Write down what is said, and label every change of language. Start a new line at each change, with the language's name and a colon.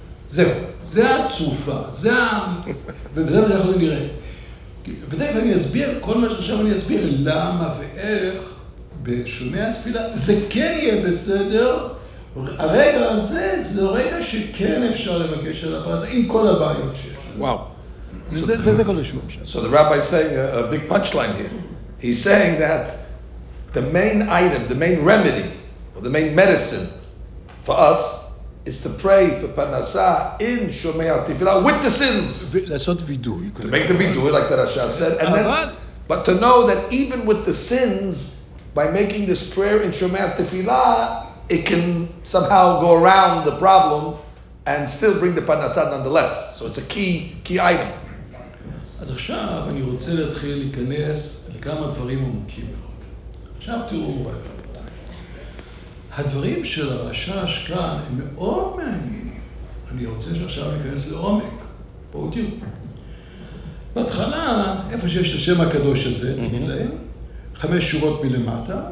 Hebrew: זהו. זה התרופה. זה ה... וזה מה אנחנו נראה. ותכף אני אסביר, כל מה שעכשיו אני אסביר, למה ואיך בשומע התפילה, זה כן יהיה בסדר, הרגע הזה זה הרגע שכן אפשר לבקש על הפרנסה עם כל הבעיות שיש. וואו. זה כל השום.
English: So the rabbi is saying a big punchline here. He's saying that the main item, the main remedy, or the main medicine for us is to pray for parnasa in shomei atifila with the sins.
Hebrew: לעשות וידוי.
English: To make the וידוי, like the Rasha said. And then, but to know that even with the sins, by making this prayer in shomei atifila, it can somehow go around the problem and still bring the parnasah nonetheless. So it's a key item.
Hebrew: אז עכשיו אני רוצה להתחיל להיכנס לכמה דברים עמוקים מאוד. עכשיו תראו הדברים של הרשש כאן הם מאוד מעניינים. אני רוצה שעכשיו להיכנס לעומק. בואו תראו. בהתחלה, איפה שיש השם הקדוש הזה, חמש שורות מלמטה.